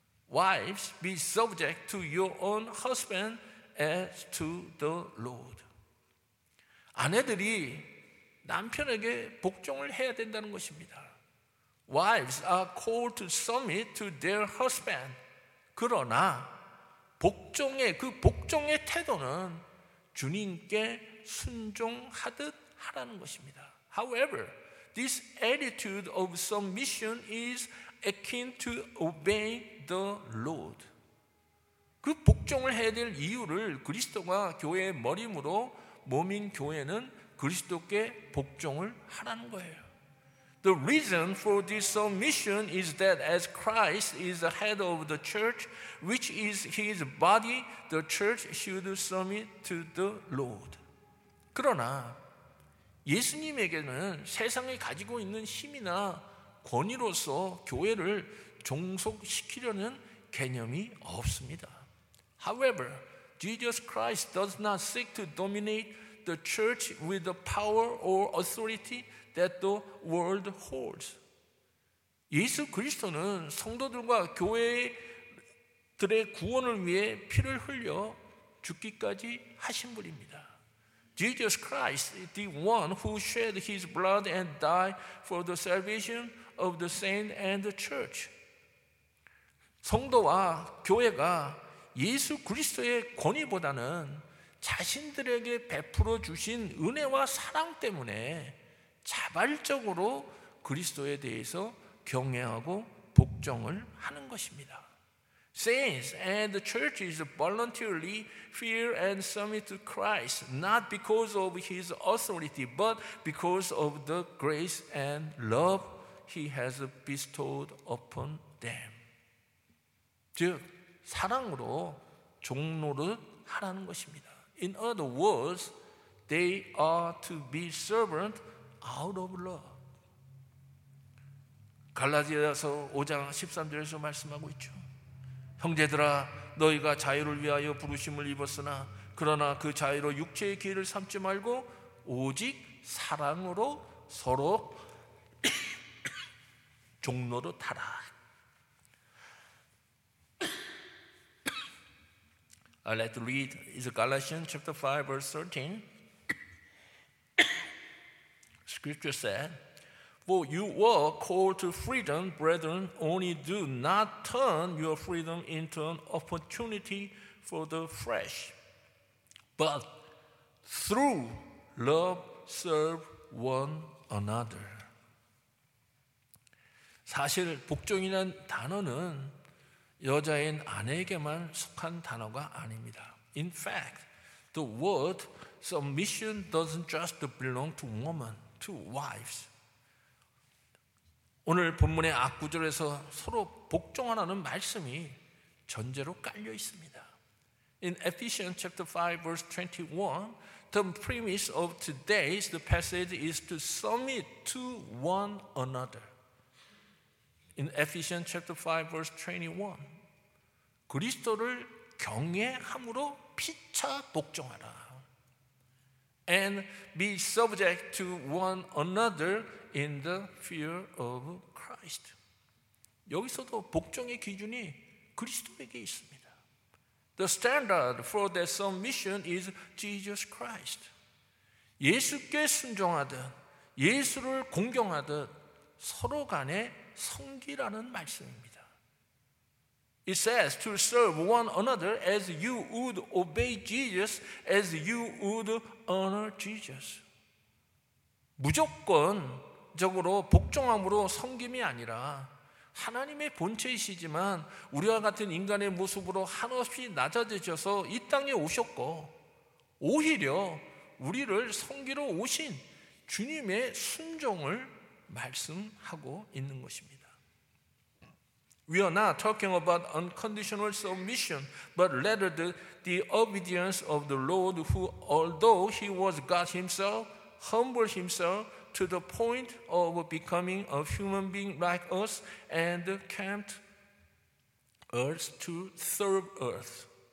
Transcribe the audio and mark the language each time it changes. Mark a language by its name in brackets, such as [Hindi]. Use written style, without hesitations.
[English] Wives, be subject to your own husband as to the Lord. [Korean] 아내들이 남편에게 복종을 해야 된다는 것입니다. [English] Wives are called to submit to their husband. [Korean] 그러나 복종의 그 복종의 태도는 주님께 순종하듯 하라는 것입니다. [English] However, this attitude of submission is akin to obeying the Lord. [Korean] 그 복종을 해야 될 이유를 그리스도가 교회의 머리므로 몸인 교회는 그리스도께 복종을 하라는 거예요. [English] The reason for this submission is that as Christ is the head of the church, which is his body, the church should submit to the Lord. [Korean] 그러나 예수님에게는 세상이 가지고 있는 힘이나 권위로서 교회를 종속시키려는 개념이 없습니다. [English] However, Jesus Christ does not seek to dominate the church with the power or authority that the world holds. [Korean] 예수 그리스도는 성도들과 교회들의 구원을 위해 피를 흘려 죽기까지 하신 분입니다. [English] Jesus Christ, the one who shed his blood and died for the salvation of the saints and the church. [Korean] 성도와 교회가 예수 그리스도의 권위보다는 자신들에게 베풀어 주신 은혜와 사랑 때문에 자발적으로 그리스도에 대해서 경외하고 복종을 하는 것입니다. [English] Saints and the churches voluntarily fear and submit to Christ, not because of his authority, but because of the grace and love he has bestowed upon them. [Korean] 즉, 사랑으로 종노릇 하라는 것입니다. [English] In other words, they are to be servant out of love. [Korean] 갈라디아서 5장 13절에서 말씀하고 있죠. 형제들아 너희가 자유를 위하여 부르심을 입었으나 그러나 그 자유로 육체의 기회를 삼지 말고 오직 사랑으로 서로 종노릇하라. [English] 아, let's read is Galatians chapter 5 verse 13. Scripture said, For you were called to freedom, brethren. Only do not turn your freedom into an opportunity for the flesh, but through love serve one another. [Korean] 사실 복종이란 단어는 여자인 아내에게만 속한 단어가 아닙니다. [English] In fact, the word submission doesn't just belong to women, to wives. [Korean] 오늘 본문의 앞구절에서 서로 복종하라는 말씀이 전제로 깔려 있습니다. [English] In Ephesians chapter 5 verse 21, the premise of today's the passage is to submit to one another. In Ephesians chapter 5 verse 21, [Korean] 그리스도를 경외함으로 피차 복종하라. [English] And be subject to one another in the fear of Christ. [Korean] 여기서도 복종의 기준이 그리스도에게 있습니다. [English] The standard for that submission is Jesus Christ. [Korean] 예수께 순종하듯 예수를 공경하듯 서로 간에 섬기라는 말씀입니다. [English] It says to serve one another as you would obey Jesus, as you would honor Jesus. [Korean] 무조건적으로 복종함으로 섬김이 아니라 하나님의 본체이시지만 우리와 같은 인간의 모습으로 한없이 낮아지셔서 이 땅에 오셨고 오히려 우리를 섬기러 오신 주님의 순종을 말씀하고 있는 것입니다. [English] We are not talking about unconditional submission, but rather the obedience of the Lord who, although he was God himself, humbled himself to the point of becoming a human being like us and came to earth to serve earth.